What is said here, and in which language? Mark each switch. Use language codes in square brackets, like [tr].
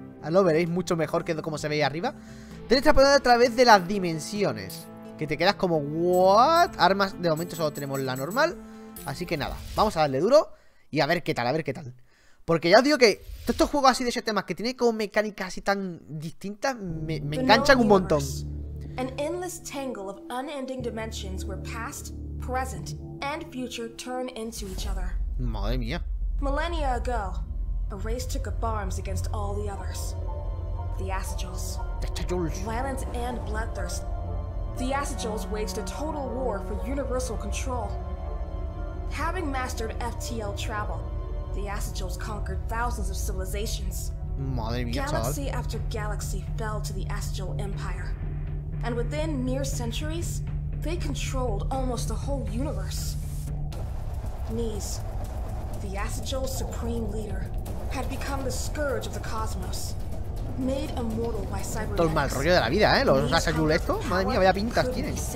[es] Lo veréis mucho mejor que como se veía arriba. Tienes que aprender a través de las dimensiones. Que te quedas como, ¿what? Armas, de momento solo tenemos la normal. Así que nada, vamos a darle duro. Y a ver qué tal, a ver qué tal. Porque ya os digo que todos estos juegos así de ese tema, que tienen como mecánicas así tan distintas, me enganchan un montón. [en] An endless tangle of unending dimensions where past, present and future turn into each other. [es] Madre mía. [en] Millennia ago, a race took up arms against all the others. The Asajjals. Violence and bloodthirst. The Asajjals waged a total war for universal control. Having mastered FTL travel, the Asajjals conquered thousands of civilizations. [es] Madre mía, chaval. [en] Galaxy after galaxy fell to the Asajjal Empire. And within mere centuries, they controlled almost the whole universe. Knees. The Asajjal's supreme leader had become the scourge of the cosmos, made immortal by cybernetics. [es] Todo el mal rollo de la vida, ¿eh? Los Asajjal esto, madre mía, vaya pintas tienen.